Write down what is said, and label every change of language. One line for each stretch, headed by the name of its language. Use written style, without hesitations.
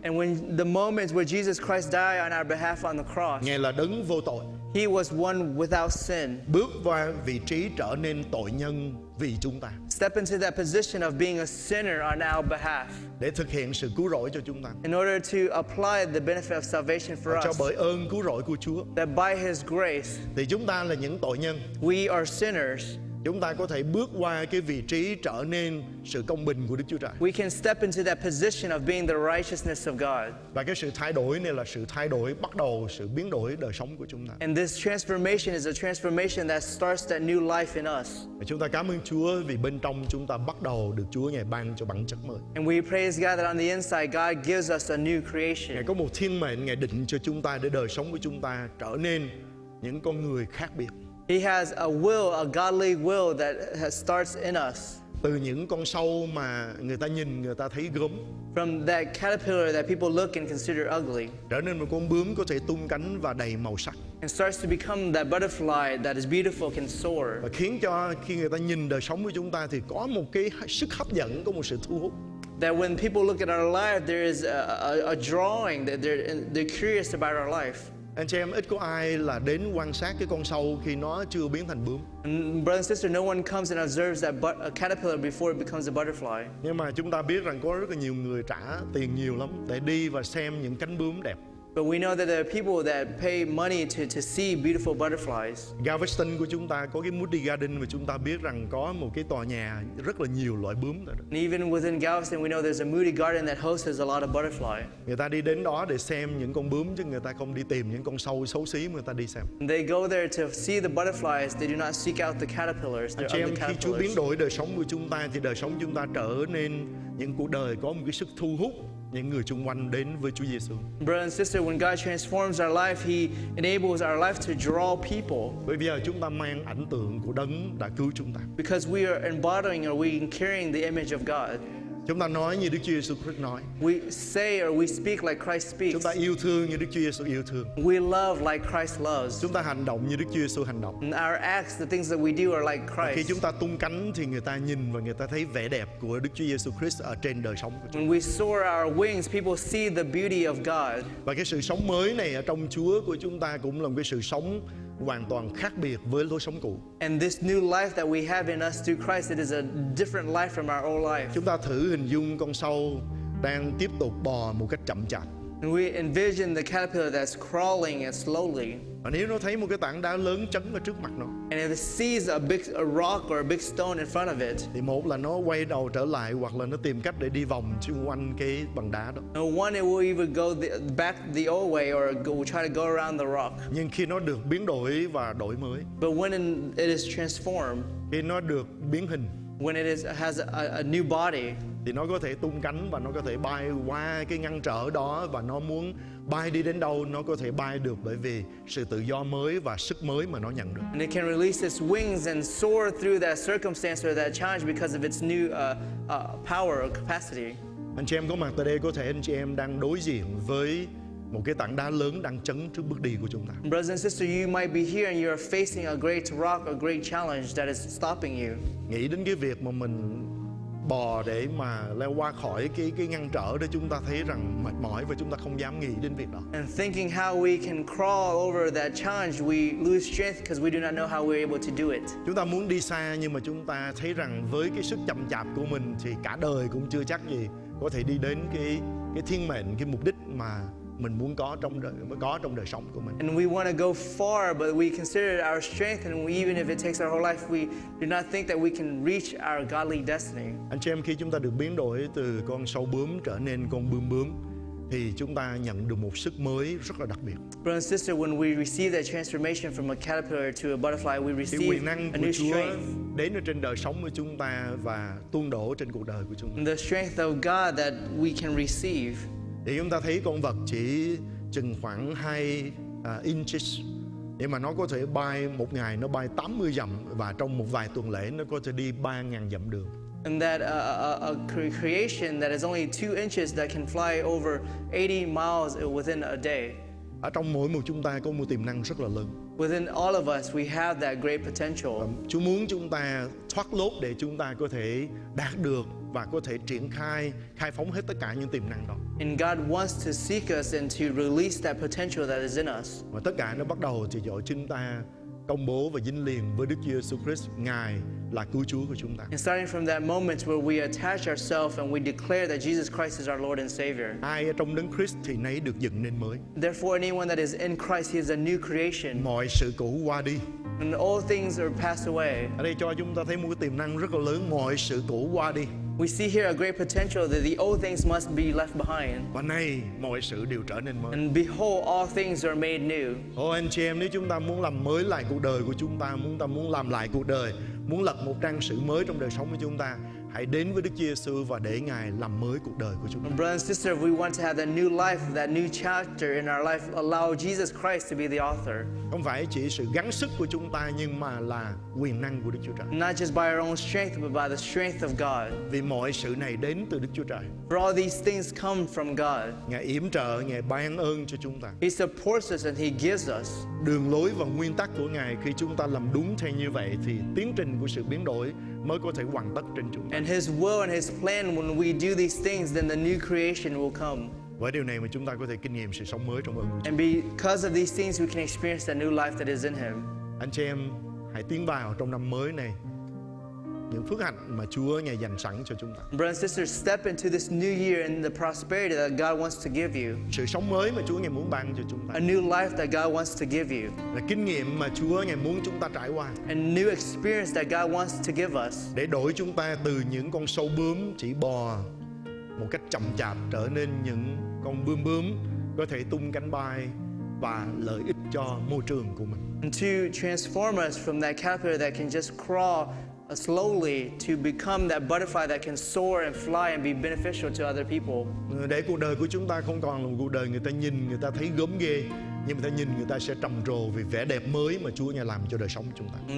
English: And when the moments where Jesus Christ died on our behalf on the cross.
Vietnamese: Ngài là đấng vô tội.
English: He was one without sin.
Vietnamese: Bước vào vị trí trở nên tội nhân vì chúng ta.
English: Step into that position of being a sinner on our behalf.
Vietnamese: Để thực hiện sự cứu rỗi cho chúng ta.
English: In order to apply the benefit of salvation for us.
Vietnamese: Cho bởi ơn cứu rỗi của Chúa.
English: That by his grace.
Vietnamese: Thì chúng ta là những tội nhân.
English: We are sinners.
Vietnamese: Chúng ta có thể bước qua cái vị trí trở nên sự công bình của Đức Chúa Trời.
English: We can step into that position of being the righteousness of God.
Vietnamese: Và cái sự thay đổi này là sự thay đổi bắt đầu sự biến đổi đời sống của chúng ta.
English: And this transformation is a transformation that starts that new life in us.
Vietnamese: Và chúng ta cảm ơn Chúa vì bên trong chúng ta bắt đầu được Chúa Ngài ban cho bản chất mới.
English: And we praise God that on the inside God gives us a new creation.
Vietnamese: Ngài có một thiên mệnh Ngài định cho chúng ta để đời sống của chúng ta trở nên những con người khác biệt.
English: He has a will, a godly will that starts in us.
Vietnamese: Từ những con sâu mà người ta nhìn người ta thấy gớm.
English: From that caterpillar that people look and consider ugly.
Vietnamese: Trở nên một con bướm có thể tung cánh và đầy màu sắc.
English: And starts to become that butterfly that is beautiful, can soar.
Vietnamese: Và khiến cho khi người ta nhìn đời sống của chúng ta thì có một cái sức hấp dẫn, có một sự thu hút.
English: That when people look at our life, there is a drawing that they're curious about our life.
Vietnamese: Anh chị em, ít có ai là đến quan sát cái con sâu khi nó chưa biến thành bướm.
English: Brother and sister, no one comes and observes that a caterpillar before it becomes a butterfly.
Vietnamese: Nhưng mà chúng ta biết rằng có rất là nhiều người trả tiền nhiều lắm để đi và xem những cánh bướm đẹp.
English: But we know that there are people that pay money to see beautiful butterflies.
Vietnamese: Galveston của chúng ta có cái Moody Garden và chúng ta biết rằng có một cái tòa nhà rất là nhiều loại bướm.
English: And even within Galveston, we know there's a Moody Garden that hosts a lot of butterflies.
Vietnamese: Người ta đi đến đó để xem những con bướm chứ người ta không đi tìm những con sâu xấu xí mà người ta đi xem.
English: And they go there to see the butterflies. They do not seek out the caterpillars.
Vietnamese: Anh chị em, khi Chúa biến đổi đời sống của chúng ta thì đời sống chúng ta trở nên những cuộc đời có một cái sức thu hút những người xung quanh đến với Chúa Giêsu.
English: Brother and sister, when God transforms our life, He enables our life to draw people.
Vietnamese: Bởi vì chúng ta mang ảnh tượng của Đấng đã cứu chúng ta.
English: Because we are embodying or we are carrying the image of God.
Vietnamese: Chúng ta nói như Đức Chúa Giêsu Christ nói.
English: We say or we speak like Christ speaks.
Vietnamese: Chúng ta yêu thương như Đức Chúa Giêsu yêu thương.
English: We love like Christ loves.
Vietnamese: Chúng ta hành động như Đức Chúa Giêsu hành động.
English: And our acts, the things that we do are like Christ.
Vietnamese: Và khi chúng ta tung cánh thì người ta nhìn và người ta thấy vẻ đẹp của Đức Chúa Giêsu Christ ở trên đời sống của chúng ta.
English: When we soar our wings, people see the beauty of God.
Vietnamese: Và cái sự sống mới này ở trong Chúa của chúng ta cũng là một cái sự sống hoàn toàn khác biệt với lối sống cũ.
English: And this new life that we have in us through Christ, it is a different life from our old life.
Vietnamese: Chúng ta thử hình dung con sâu đang tiếp tục bò một cách chậm chạp.
English: And we envision the caterpillar that's crawling and slowly.
Vietnamese: Và nếu nó thấy một cái tảng đá lớn chấn ở trước mặt nó.
English: And if it sees a rock or a big stone in front of it.
Vietnamese: Thì một là nó quay đầu trở lại hoặc là nó tìm cách để đi vòng xung quanh cái bằng đá đó.
English: And one, it will either go back the old way or will try to go around the rock.
Vietnamese: Nhưng khi nó được biến đổi và đổi mới.
English: But when it is transformed.
Vietnamese: Khi nó được biến hình.
English: When it has a new body.
Vietnamese: Thì nó có thể tung cánh và nó có thể bay qua cái ngăn trở đó và nó muốn bay đi đến đâu nó có thể bay được bởi vì sự tự do mới và sức mới mà nó nhận được.
English: And it can release its wings and soar through that circumstance or that challenge because of its new power or capacity.
Vietnamese: Anh chị em có mặt tại đây, có thể anh chị em đang đối diện với một cái tảng đá lớn đang chấn trước bước đi của chúng ta.
English: Brothers and sisters, you might be here and you're facing a great rock, a great challenge that is stopping you.
Vietnamese: Nghĩ đến cái việc mà mình bò để mà leo qua khỏi cái ngăn trở để chúng ta thấy rằng mệt mỏi và chúng ta không dám nghĩ đến việc đó.
English: And thinking how we can crawl over that challenge, we lose strength because we do not know how we're able to do it.
Vietnamese: Chúng ta muốn đi xa nhưng mà chúng ta thấy rằng với cái sức chậm chạp của mình thì cả đời cũng chưa chắc gì có thể đi đến cái thiên mệnh, cái mục đích mà mình muốn có trong đời sống của mình.
English: And we want to go far, but we consider it our strength, and even if it takes our whole life, we do not think that we can reach our godly destiny.
Vietnamese: Anh chị em, khi chúng ta được biến đổi từ con sâu bướm trở nên con bươm bướm, thì chúng ta nhận được một sức mới rất là đặc biệt.
English: Brother and sister, when we receive that transformation from a caterpillar to a butterfly, we receive
Vietnamese: quyền năng của
English: a new
Vietnamese: Chúa
English: strength
Vietnamese: đến trên đời sống của chúng ta và tuôn đổ trên cuộc đời của chúng ta.
English: And the strength of God that we can receive.
Vietnamese: Thì chúng ta thấy con vật chỉ chừng khoảng 2 inches. Nhưng mà nó có thể bay một ngày, nó bay 80 dặm. Và trong một vài tuần lễ, nó có thể đi 3,000 dặm đường.
English: And that a creation that is only 2 inches that can fly over 80 miles within a day.
Vietnamese: Ở trong mỗi một chúng ta có một tiềm năng rất là lớn.
English: Within all of us, we have that great potential.
Vietnamese: Chúa muốn chúng ta thoát lốt để chúng ta có thể đạt được và có thể triển khai phóng hết tất cả những tiềm năng đó.
English: And God wants to seek us and to release that potential that is in us.
Vietnamese: Và tất cả nó bắt đầu từ chỗ chúng ta công bố và dính liền với Đức Chúa Jesus Christ, Ngài là cứu Chúa của chúng ta.
English: And starting from that moment where we attach ourselves and we declare that Jesus Christ is our Lord and Savior.
Vietnamese: Ai ở trong Đấng Christ thì nấy được dựng nên mới.
English: Therefore, anyone that is in Christ, he is a new creation.
Vietnamese: Mọi sự cũ qua đi.
English: And all things are passed away.
Vietnamese: Ở đây cho chúng ta thấy một cái tiềm năng rất là lớn, mọi sự cũ qua đi.
English: We see here a great potential that the old things must be left behind.
Vietnamese: Và nay mọi sự đều trở nên mới.
English: And behold, all things are made new.
Vietnamese: Ôi anh chị em, nếu chúng ta muốn làm mới lại cuộc đời của chúng ta, muốn ta muốn làm lại cuộc đời, muốn lập một trang sử mới trong đời sống của chúng ta, hãy đến với Đức Giê-xu và để Ngài làm mới cuộc đời của chúng ta.
English: Brothers and sisters, we want to have that new life, that new chapter in our life. Allow Jesus Christ to be the author.
Vietnamese: Không phải chỉ sự gắng sức của chúng ta, nhưng mà là quyền năng của Đức Chúa Trời.
English: Not just by our own strength, but by the strength of God.
Vietnamese: Vì mọi sự này đến từ Đức Chúa Trời.
English: For all these things come from God.
Vietnamese: Ngài yểm trợ, Ngài ban ơn cho chúng ta.
English: He supports us and He gives us.
Vietnamese: Đường lối và nguyên tắc của Ngài, khi chúng ta làm đúng theo như vậy, thì tiến trình của sự biến đổi mới có thể hoàn tất trên chúng ta.
English: And His will and His plan, when we do these things, then the new creation will come.
Vietnamese: Với điều này mà chúng ta có thể kinh nghiệm sự sống mới trong ơn của Chúa.
English: And because of these things, we can experience the new life that is in Him.
Vietnamese: Anh chị em, hãy tiến vào trong năm mới này những phước hạnh mà Chúa Ngài dành sẵn cho chúng ta.
English: Brothers and sisters, step into this new year and the prosperity that God wants to give you.
Vietnamese: Sự sống mới mà Chúa Ngài muốn ban cho chúng ta.
English: A new life that God wants to give you.
Vietnamese: Là kinh nghiệm mà Chúa Ngài muốn chúng ta trải qua.
English: A new experience that God wants to give us.
Vietnamese: Để đổi chúng ta từ những con sâu bướm chỉ bò một cách chậm chạp trở nên những con bươm bướm có thể tung cánh bay và lợi ích cho môi trường của mình.
English: And to transform us from that caterpillar that can just crawl slowly to become that butterfly that can soar and fly and be beneficial to other people.
Vietnamese: Để cuộc đời của chúng ta không còn là một cuộc đời người ta nhìn, người ta thấy gớm ghê, nhưng mà ta nhìn người ta sẽ trầm trồ vì vẻ đẹp mới mà Chúa Ngài làm cho đời sống chúng ta.